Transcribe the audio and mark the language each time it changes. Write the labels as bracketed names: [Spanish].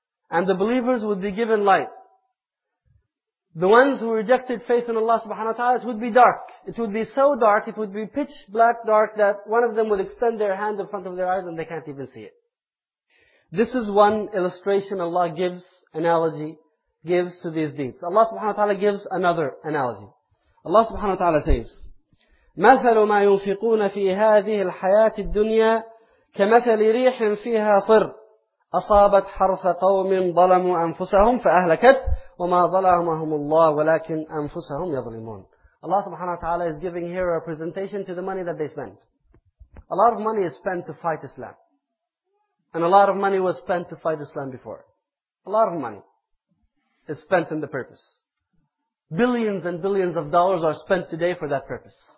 [English] And the believers would be given light. The ones who rejected faith in Allah subhanahu wa ta'ala, it would be dark. It would be so dark, it would be pitch black dark that one of them would extend their hand in front of their eyes and they can't even see it. This is one illustration Allah gives, analogy, gives to these deeds. Allah subhanahu wa ta'ala gives another analogy. Allah subhanahu wa ta'ala says, [Arabic] مَثَلُ مَا يُنْفِقُونَ فِي هَذِهِ الْحَيَاةِ الدُّنْيَا كَمَثَلِ رِيحٍ فِيهَا صِرٍ أصابت حرث قوم ظلموا أنفسهم فأهلكت وما ظلمهم الله ولكن أنفسهم يظلمون. [English] Allah subhanahu wa ta'ala is giving here a presentation to the money that they spent. A lot of money is spent to fight Islam. And a lot of money was spent to fight Islam before. A lot of money is spent in the purpose. Billions and billions of dollars are spent today for that purpose.